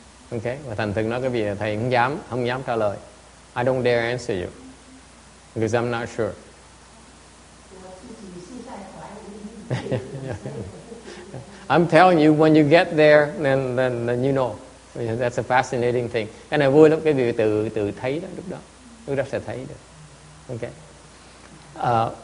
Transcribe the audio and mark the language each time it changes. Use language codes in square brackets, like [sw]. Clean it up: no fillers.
[vi] Ok, và thành thực nói cái việc là thầy không dám trả lời. [en] I don't dare answer you because I'm not sure. I'm telling you, when you get there, then you know. That's a fascinating thing. [vi] Cái này vui lắm, cái việc từ thấy đó, lúc đó sẽ thấy được. Okay.